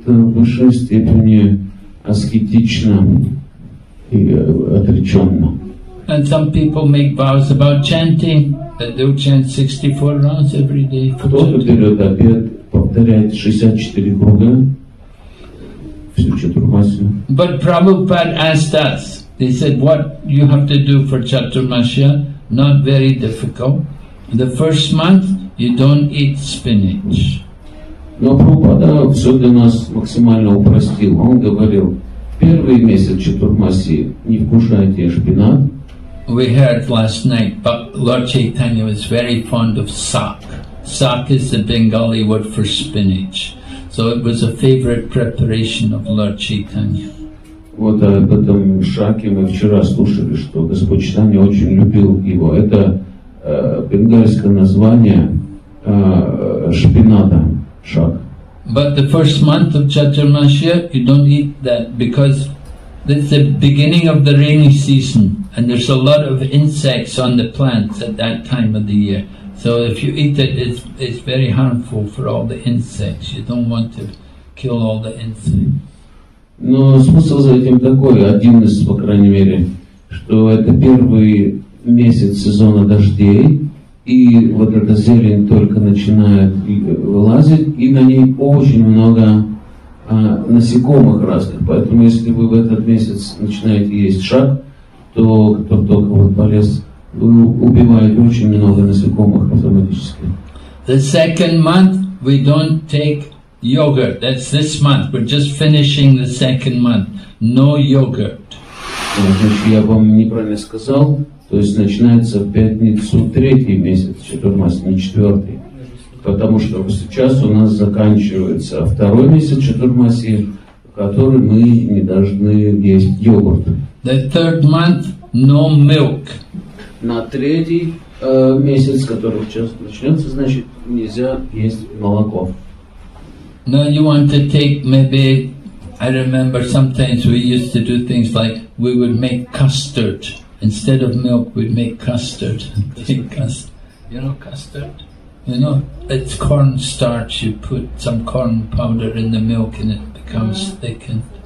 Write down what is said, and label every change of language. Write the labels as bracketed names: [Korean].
[Russian] Это в высшей степени аскетично и отречённо. [English] And some people make vows about chanting, that they'll chant 64 rounds every day. [Russian] Кто-то берёт обет, повторяет 64 круга всю четурмасию. [English] But Prabhupada asked us, he said, what you have to do for Chaturmasya? Not very difficult. The first month you don't eat spinach. [Russian] Но Прабхупада все для нас максимально упростил. Он говорил, первый месяц Чатурмаси не вкушайте шпинат. [English] We heard last night, but Lord Chaitanya was very fond of sak. Sak is the Bengali word for spinach. So it was a favorite preparation of Lord Chaitanya. [Russian] Вот об этом шаке мы вчера слушали, что Господь Читания очень любил его. Это бенгальское название шпината, шак. [English] But the first month of Chaturmasya, you don't eat that because it's the beginning of the rainy season and there's a lot of insects on the plants at that time of the year. So if you eat it, it's very harmful for all the insects. You don't want to kill all the insects. [Russian] Но смысл за этим такой, один из, по крайней мере, что это первый месяц сезона дождей, и вот эта зелень только начинает вылазить, и на ней очень много насекомых разных. Поэтому если вы в этот месяц начинаете есть шаг, то кто только вот полез, вы убиваете очень много насекомых автоматически. [English] The second month we don't take yogurt, that's this month. We're just finishing the second month. No yogurt. [Russian] Я вам неправильно сказал. То есть начинается в пятницу третий месяц, Чатурмаси, не четвертый. Потому что сейчас у нас заканчивается второй месяц Чатурмаси, в который мы не должны есть йогурт. [English] The third month, no milk. [Russian] На третий месяц, который сейчас начнется, значит, нельзя есть молоко. [English] Now you want to take maybe, I remember sometimes we used to do things like we would make custard. Instead of milk, we'd make custard. You know custard? You know, it's corn starch. You put some corn powder in the milk and it becomes thickened.